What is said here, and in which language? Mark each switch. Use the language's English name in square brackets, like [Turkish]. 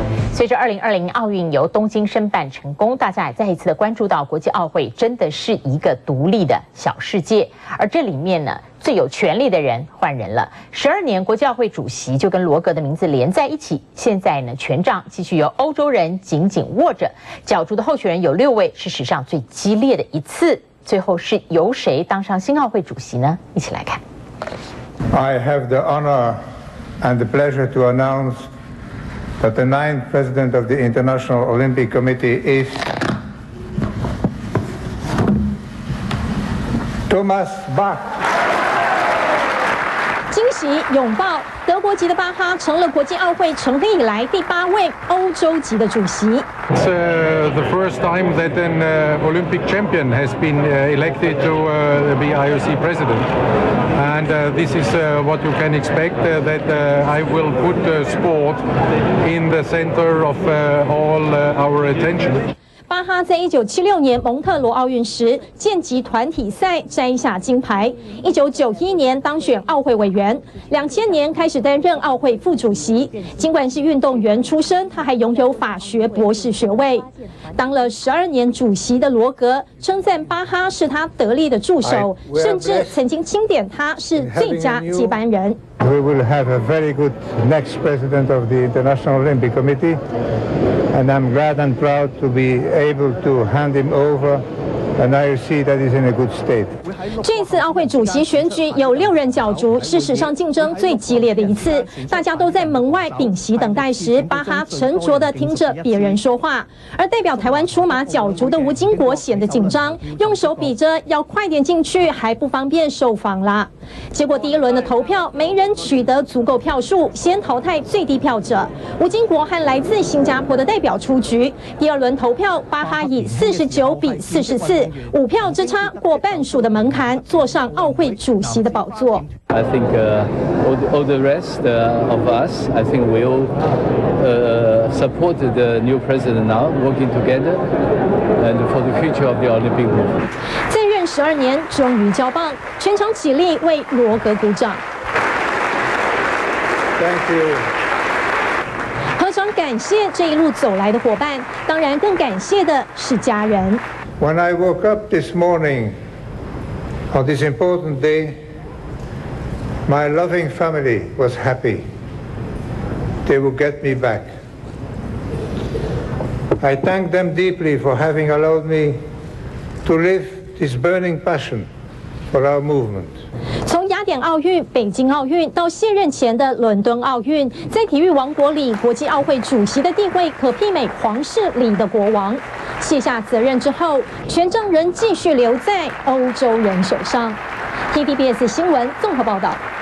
[Chinese] 随着2020奥运由东京申办成功，大家也再一次的关注到国际奥会真的是一个独立的小世界，而这里面呢最有权力的人换人了。 12年国际奥会主席就跟罗格的名字连在一起，现在呢权杖继续由欧洲人紧紧握着，角逐的候选人有6位，是史上最激烈的一次。最后是由谁当上新奥会主席呢？一起来看。 [English] I have the honor and the pleasure to announceThat the 9th president of the International Olympic Committee is Thomas Bach. [Chinese] 惊喜拥抱，德国籍的巴哈成了国际奥会成立以来第8位欧洲籍的主席。 [English] It's the first time that an Olympic champion has been elected to be IOC president. And this is what you can expect, that I will put sport in the center of all our attention. [Chinese] 巴哈在1976年蒙特罗奥运时剑击团体赛摘下金牌，1991年当选奥会委员，2000年开始担任奥会副主席。尽管是运动员出身，他还拥有法学博士学位。当了12年主席的罗格称赞巴哈是他得力的助手，甚至曾经钦点他是最佳接班人。 [English] We will have a very good next president of the International Olympic Committee, and I'm glad and proud to be able to hand him over. And I see that is in a good state. [Chinese] 这次奥会主席选举有6人角逐，是史上竞争最激烈的一次。大家都在门外屏息等待时，巴哈沉着地听着别人说话。而代表台湾出马角逐的吴金国显得紧张，用手比着要快点进去，还不方便受访啦。结果第一轮的投票没人取得足够票数，先淘汰最低票者，吴金国和来自新加坡的代表出局。第二轮投票，巴哈以49-44。 5票之差过半数的门槛，坐上奥会主席的宝座。 [English] I think all the rest of us, I think we all support the new president now, working together and for the future of the Olympic movement. [Chinese] 在任12年，终于交棒，全场起立为罗格鼓掌。 [English] Thank you. [Chinese] 何尝感谢这一路走来的伙伴，当然更感谢的是家人。 [English] When I woke up this morning on this important day, my loving family was happy. They will get me back. I thank them deeply for having allowed me to live this burning passion for our movement. [Chinese] 雅典奥运、北京奥运到卸任前的伦敦奥运，在体育王国里，国际奥会主席的地位可媲美皇室里的国王。卸下责任之后，权杖仍继续留在欧洲人手上。 TVBS 新闻综合报道。